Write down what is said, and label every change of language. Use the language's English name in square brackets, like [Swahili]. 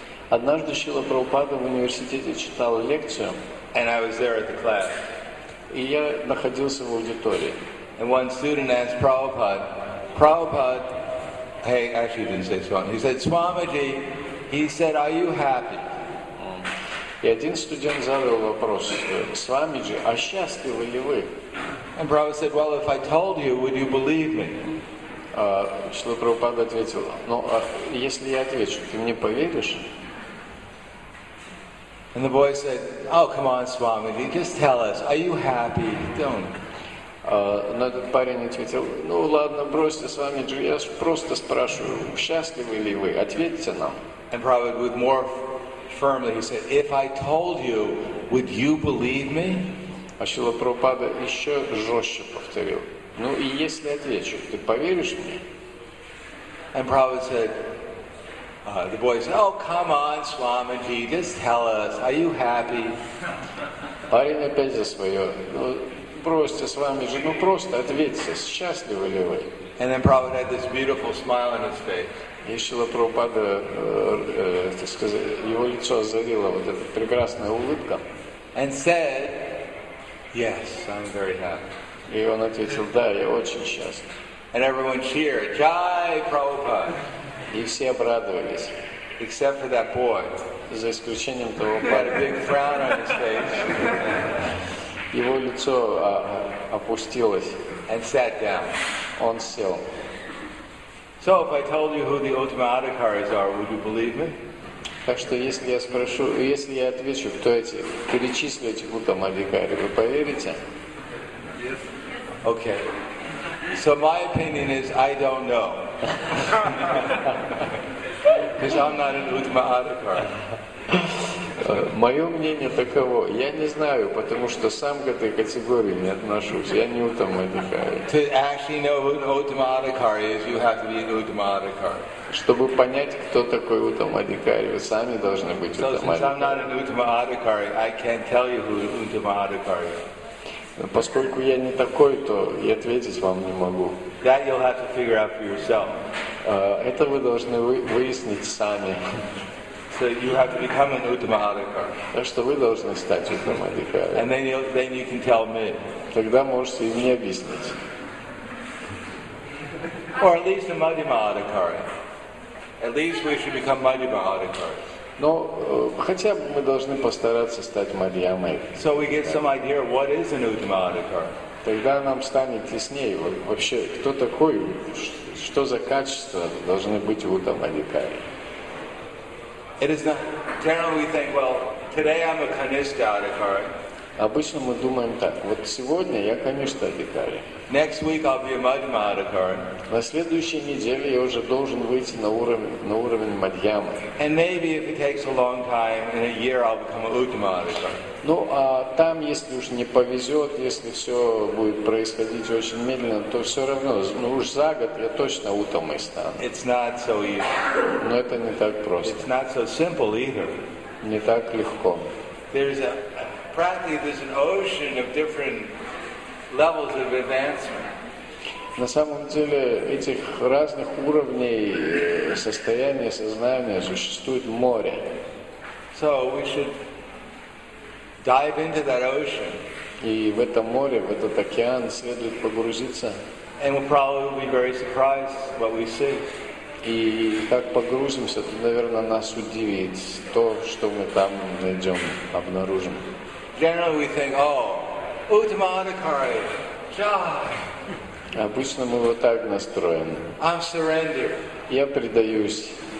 [Russian] Однажды Шрила Прабхупада в университете читал лекцию. [English] And I was there at the class. [Russian] И я находился в аудитории. [English] And one student asked Prabhupada, Prabhupada, hey, actually he didn't say Swamiji. He said, Swamiji, he said, are you happy? [Russian] И один студент задал вопрос, Свамиджи, а счастливы ли вы? [English] And Prabhupada said, well, if I told you, would you believe me? [Russian] Шрила Прабхупада ответил, ну, если я отвечу, ты мне поверишь? [English] And the boy said, oh, come on, Swamiji, just tell us, are you happy? [Russian] Но этот парень ответил, ну ладно, бросьте, Свамиджи, я просто спрашиваю, счастливы ли вы, ответьте нам. [English] And Prabhupada with more firmly, he said, if I told you, would you believe me? [Russian] А Шрила Прабхупада еще жестче повторил, ну и если отвечу, ты поверишь мне? [English] And Prabhupada said, the boy said, oh, come on, Swamiji, just tell us, are you happy? [Russian] Парень опять за свое, ну, бросьте, Свамиджи, ну, просто ответьте, счастливы ли вы? [English] And then Prabhupada had this beautiful smile on his face. [Russian] И Шрила Прабхупада, так сказать, его лицо озарило вот эта прекрасная улыбка. [English] And said, yes, I'm very happy. [Russian] И он ответил, да, я очень счастлив. [English] And everyone cheered, Jai Prabhupada. [Russian] И все обрадовались. [English] Except for that boy. [Russian] За исключением того парня. [English] Big frown on his face. [Russian] Его лицо опустилось. [English] And sat down. [Russian] Он сел. [English] So if I told you who the Uttama Adhikaris are, would you believe me? [Russian] Так что если я спрошу, если я отвечу, кто эти, перечислю этих Uttama Adhikaris, вы поверите? [English] Yes. Okay. So my opinion is I don't know. Because I'm not an Uttama Adhikari. [Russian] Мое мнение таково. Я не знаю, потому что сам к этой категории не отношусь. Я не Uttama Adhikari. [English] To actually know who an Uttama Adhikari is, you have to be an Uttama Adhikari. [Russian] Чтобы понять, кто такой Uttama Adhikari, вы сами должны быть Uttama Adhikari. [English] So since I'm not an Uttama Adhikari, I can't tell you who an Uttama Adhikari is. [Russian] Поскольку я не такой, то и ответить вам не могу. [English] That you'll have to figure out for yourself. [Russian] Это вы должны выяснить сами. [English] So you have to become an Uttama Adhikari. [Russian] Так что вы должны стать Uttama Adhikari. [English] And then you can tell me. [Russian] Тогда можете и мне объяснить. [English] Or at least a Madhyama Adhikari. At least we should become Madhyama Adhikari. [Russian] Но хотя бы мы должны постараться стать Мадьямой. [English] So we get some idea of what is an Uttama Adhikari. [Russian] Тогда нам станет яснее вообще, кто такой, что за качества должны быть в Uttama Adhikari. [English] It is not, generally we think, well, today I'm a Kanishka Adhikari. [Russian] Обычно мы думаем так, вот сегодня я Kanishka Adhikari. [English] Next week I'll be a Madhyama Adhikari. [Russian] На следующей неделе я уже должен выйти на уровень Мадьямы. [English] And maybe if it takes a long time, in a year I'll become an Uttama Adhikari. [Russian] Ну, а там, если уж не повезет, если все будет происходить очень медленно, то все равно, ну уж за год я точно Уттамой стану. [English] It's not so easy. [Russian] Но это не так просто. [English] It's not so simple either. [Russian] Не так легко. [English] Practically, there's an ocean of different levels of advancement. [Russian] На самом деле этих разных уровней состояния сознания существует море. [English] So we should dive into that ocean. [Russian] И в это море, в этот океан следует погрузиться. [English] And we'll probably be very surprised what we see. [Russian] И так погрузимся, то, наверное, нас удивит то, что мы там найдем, обнаружим. [English] Generally, we think, "Oh, Uttama Adhikari, Jai." [Russian] Обычно мы вот так настроены. [English] I'm surrender. [Russian] Я предаюсь.